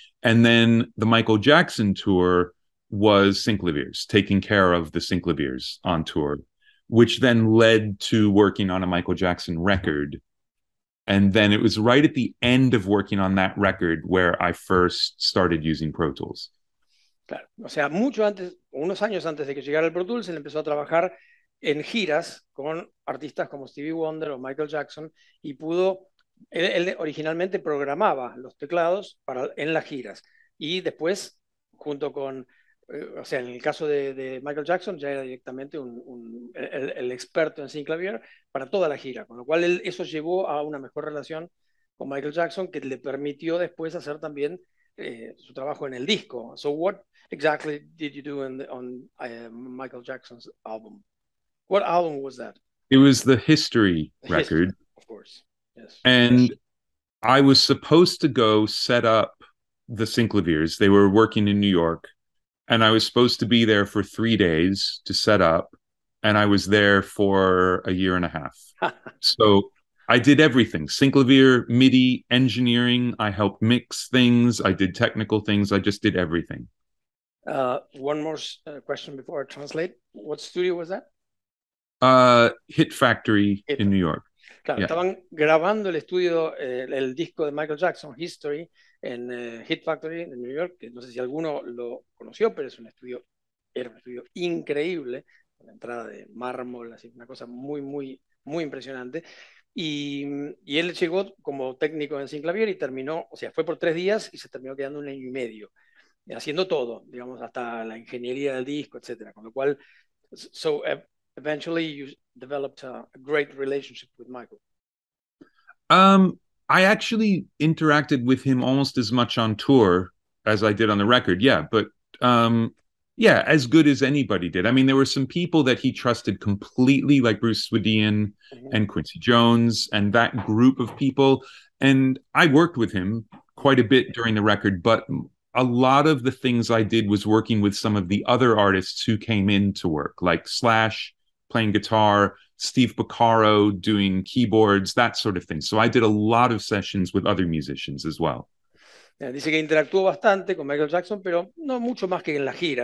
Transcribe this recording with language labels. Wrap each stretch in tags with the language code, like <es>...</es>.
<en>And then the Michael Jackson tour was synclaviers, taking care of the synclaviers on tour, which then led to working on a Michael Jackson record. And then it was right at the end of working on that record where I first started using Pro Tools.</en> <es>Claro. O sea, mucho antes, unos años antes de que llegara el Pro Tools, él empezó a trabajar en giras con artistas como Stevie Wonder o Michael Jackson y pudo, él originalmente programaba los teclados en las giras. Y después, junto con o sea, en el caso de Michael Jackson ya era directamente el experto en synclavier para toda la gira, con lo cual eso llevó a una mejor relación con Michael Jackson que le permitió después hacer también su trabajo en el disco.</es> <en>So what exactly did you do on Michael Jackson's album? What album was that? It was the History record. Of course, yes. And I was supposed to go set up the synclaviers. They were working in New York. And I was supposed to be there for 3 days to set up, and I was there for a year and a half. So I did everything, synclavier, MIDI, engineering. I helped mix things. I did technical things. I just did everything. One more question before I translate. What studio was that? Hit Factory in New York.</en> <es>Claro, yeah. Estaban grabando el estudio, el disco de Michael Jackson, History, en Hit Factory en New York, que no sé si alguno lo conoció, pero es un estudio, era un estudio increíble, con la entrada de mármol, así, una cosa muy, muy, muy impresionante. Y él llegó como técnico en Sinclavier y terminó, o sea, fue por 3 días y se terminó quedando un año y medio, haciendo todo, digamos, hasta la ingeniería del disco, etcétera. Con lo cual,</es> <en>so eventually you developed a great relationship with Michael. I actually interacted with him almost as much on tour as I did on the record, yeah. But, yeah, as good as anybody did. I mean, there were some people that he trusted completely, like Bruce Swedien and Quincy Jones and that group of people. And I worked with him quite a bit during the record, but a lot of the things I did was working with some of the other artists who came in to work, like Slash playing guitar, Steve Beccaro doing keyboards, that sort of thing. So I did a lot of sessions with other musicians as well.</en> <es>Dice que interactuó bastante con Michael Jackson, pero no mucho más que en la gira.</es>